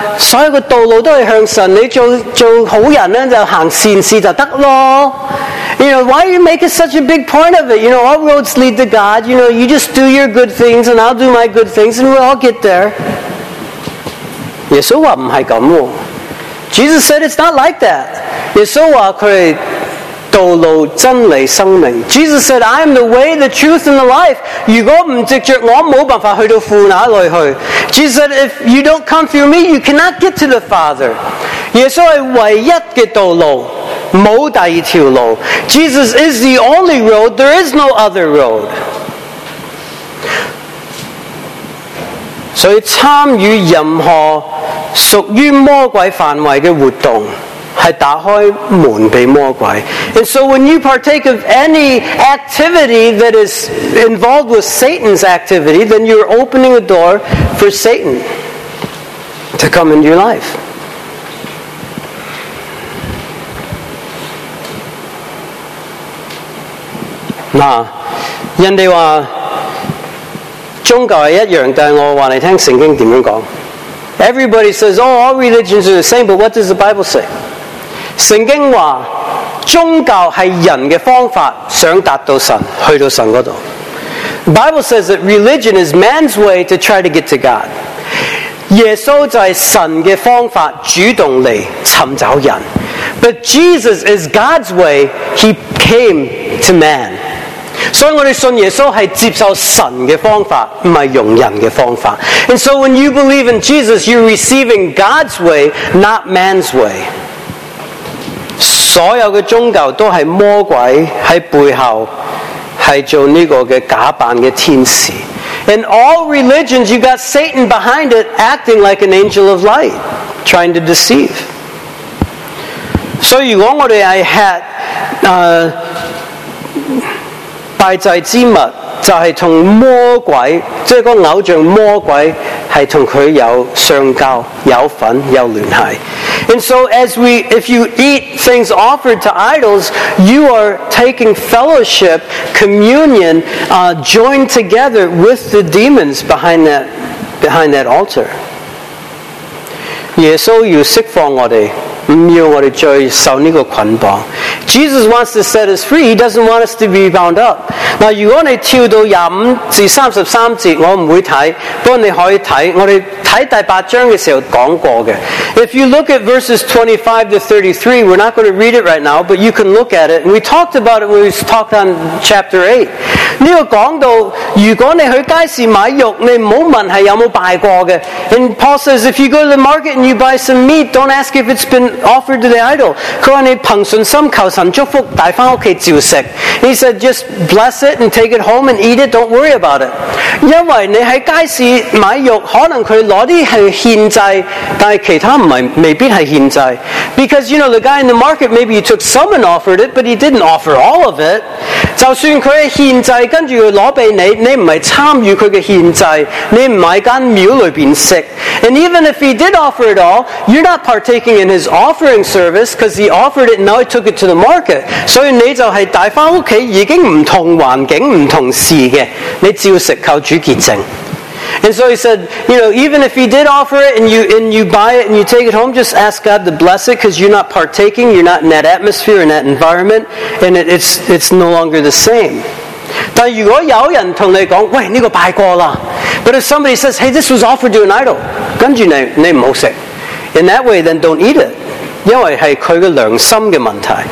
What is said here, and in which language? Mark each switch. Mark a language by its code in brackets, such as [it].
[yue] 所有的道路都是向神，你 做好人呢就行善事就得了。 [en] You know, why are you making such a big point of it? You know, all roads lead to God. You know, you just do your good things and I'll do my good things and we'll all get there. [yue] 耶稣说不是这样。 [en] Jesus said it's not like that. [yue] 耶稣说他是道路真理生命。 [en] Jesus said, I am the way, the truth, and the life. [yue] 如果不执着我，没办法去到父那里去。 [en] Jesus said, if you don't come through me, you cannot get to the Father. [yue] 耶稣是唯一的道路，没第二条路。 [en] Jesus is the only road, there is no other road. [yue] 所以参与任何属于魔鬼范围的活动是打开门给魔鬼。 [en] And so when you partake of any activity that is involved with Satan's activity, then you're opening a door for Satan to come into your life. [yue] 那人家说宗教是一样，但我告诉你听圣经怎么说。 [en] Everybody says, oh, all religions are the same, but what does the Bible say? [yue] 圣经话宗教是人的方法想达到神，去到神那里。 [en] Bible says that religion is man's way to try to get to God. [yue] 耶稣就是神的方法主动来寻找人。 [en] But Jesus is God's way, he came to man. [yue] 所以我们信耶稣是接受神的方法，不是用人的方法。 [en] And so when you believe in Jesus, you're receiving God's way, not man's way. [yue] 所有的宗教都是魔鬼在背后是做这个假扮的天使。 [en] In all religions you got Satan behind it acting like an angel of light trying to deceive. [yue] 所以如果我们是吃拜祭之物，就是跟魔鬼，就是那个偶像魔鬼，是跟他有相交、有份、有联系。 [en] And so as we, if you eat things offered to idols, you are taking fellowship, communion, joined together with the demons behind that altar. [yue] 耶稣要释放我们，不要我们再受这个捆绑。 [en] Jesus wants to set us free, he doesn't want us to be bound up. [yue] 那如果你跳到25-33节，我不会看，不过你可以看，我们看第八章的时候讲过的。 [en] If you look at verses 25-33, we're not going to read it right now, but you can look at it, and we talked about it when we talked on chapter 8. [yue] 这个讲到如果你去街市买肉，你不要问是有没有拜过的。 [en] And Paul says, if you go to the market and you buy some meat, don't ask if it's been offered to the idol. [yue] 他说你凭信心求神祝福带回家照食。 [en] He said, just bless it and take it home and eat it, don't worry about it. [yue] 因为你在街市买肉，可能他拿的是献祭，但是其他不是，未必是献祭。 [en] Because you know, the guy in the market, maybe he took some and offered it, but he didn't offer all of it. [yue] 就算他是献祭跟着他拿给你，你不是参与他的献祭，你不是在庙里面吃。 [en] And even if he did offer it all, you're not partaking in his offering service, because he offered it and now he took it to the market. [yue] 所以你就是带回家已经不同环境不同事的，你照食靠主洁净。 [en] And so he said, you know, even if he did offer it and you buy it and you take it home, just ask God to bless it because you're not partaking, you're not in that atmosphere, in that environment, and it's no longer the same. [yue] 但如果有人跟你说，喂，这个拜过了。 [en] But if somebody says, hey, this was offered to an idol, [yue] 跟着你不要吃。 [en] In that way, then don't eat it. [yue] 因为是他的良心的问题。